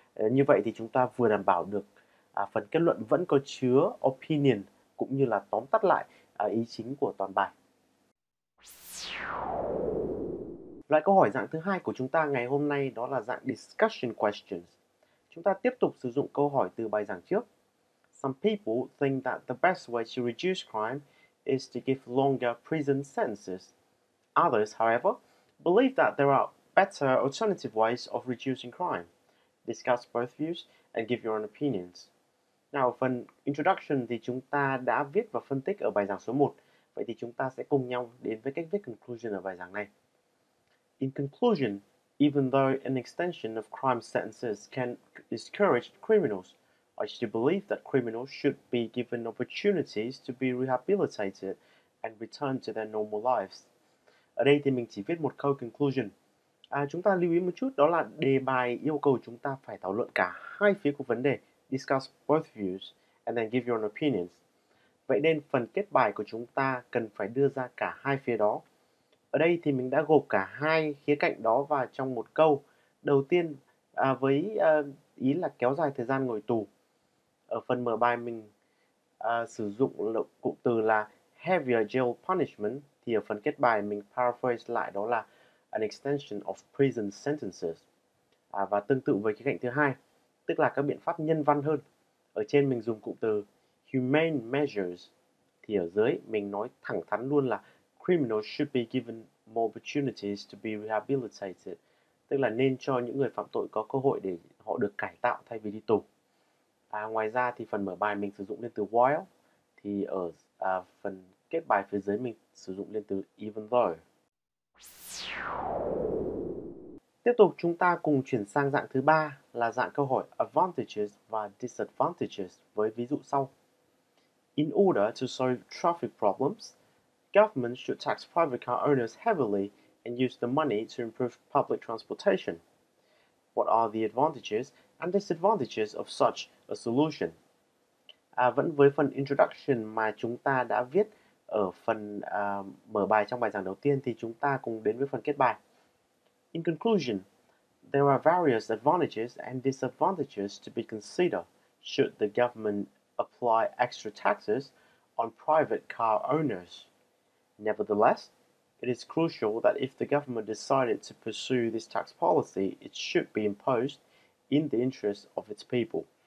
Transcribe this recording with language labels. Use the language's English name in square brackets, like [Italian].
[Vietnamese] Như vậy thì chúng ta vừa đảm bảo được phần kết luận vẫn có chứa opinion cũng như là tóm tắt lại ý chính của toàn bài. Loại câu hỏi dạng thứ hai của chúng ta ngày hôm nay đó là dạng [English] discussion questions. [Vietnamese] Chúng ta tiếp tục sử dụng câu hỏi từ bài giảng trước. [English] Some people think that the best way to reduce crime is to give longer prison sentences. Others, however, believe that there are better alternative ways of reducing crime. Discuss both views and give your own opinions. [Vietnamese] Nào, phần introduction thì chúng ta đã viết và phân tích ở bài giảng số 1. Vậy thì chúng ta sẽ cùng nhau đến với cách viết conclusion ở bài giảng này. [English] In conclusion, even though an extension of crime sentences can discourage criminals, I still believe that criminals should be given opportunities to be rehabilitated and return to their normal lives. [Vietnamese] Ở đây thì mình chỉ viết một câu conclusion. Chúng ta lưu ý một chút đó là đề bài yêu cầu chúng ta phải thảo luận cả hai phía của vấn đề. [English] Discuss both views and then give your own opinions. [Vietnamese] Vậy nên phần kết bài của chúng ta cần phải đưa ra cả hai phía đó. Ở đây thì mình đã gộp cả hai khía cạnh đó vào trong một câu. Đầu tiên với ý là kéo dài thời gian ngồi tù. Ở phần mở bài mình sử dụng cụm từ là [English] heavier jail punishment. [Vietnamese] Thì ở phần kết bài mình paraphrase lại đó là [English] an extension of prison sentences. [Vietnamese] Và tương tự với khía cạnh thứ hai, tức là các biện pháp nhân văn hơn. Ở trên mình dùng cụm từ [English] humane measures. [Vietnamese] Thì ở dưới mình nói thẳng thắn luôn là [English] criminals should be given more opportunities to be rehabilitated. [Vietnamese] Tức là nên cho những người phạm tội có cơ hội để họ được cải tạo thay vì đi tù. Ngoài ra thì phần mở bài mình sử dụng lên từ while. Thì ở phần kết bài phía dưới mình sử dụng lên từ [English] even though. [Vietnamese] Tiếp tục chúng ta cùng chuyển sang dạng thứ ba là dạng câu hỏi advantages và disadvantages với ví dụ sau. [English] In order to solve traffic problems, government should tax private car owners heavily and use the money to improve public transportation. What are the advantages and disadvantages of such a solution? [Vietnamese] À, vẫn với phần introduction mà chúng ta đã viết ở phần mở bài trong bài giảng đầu tiên thì chúng ta cùng đến với phần kết bài. [English] In conclusion, there are various advantages and disadvantages to be considered should the government apply extra taxes on private car owners. Nevertheless, it is crucial that if the government decided to pursue this tax policy, it should be imposed in the interest of its people.